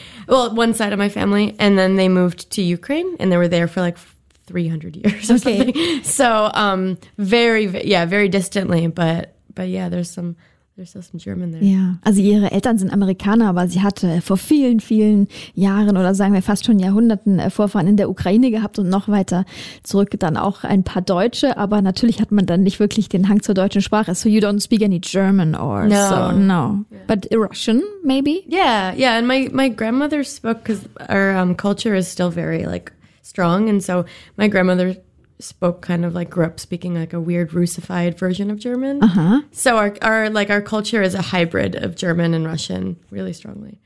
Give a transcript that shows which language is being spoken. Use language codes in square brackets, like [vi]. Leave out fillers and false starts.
[en] Well, one side of my family, and then they moved to Ukraine and they were there for like 300 years or something. So very distantly, but yeah, there's still some German there. [de] Ja, also ihre Eltern sind Amerikaner, aber sie hatte vor vielen, vielen Jahren oder sagen wir fast schon Jahrhunderten Vorfahren in der Ukraine gehabt und noch weiter zurück dann auch ein paar Deutsche. Aber natürlich hat man dann nicht wirklich den Hang zur deutschen Sprache. [en] So you don't speak any German or no. So? No. Yeah. But Russian maybe? Yeah. And my grandmother spoke, because our culture is still very like strong. And so my grandmother spoke kind of like, grew up speaking like a weird Russified version of German. Uh-huh. So our culture is a hybrid of German and Russian really strongly.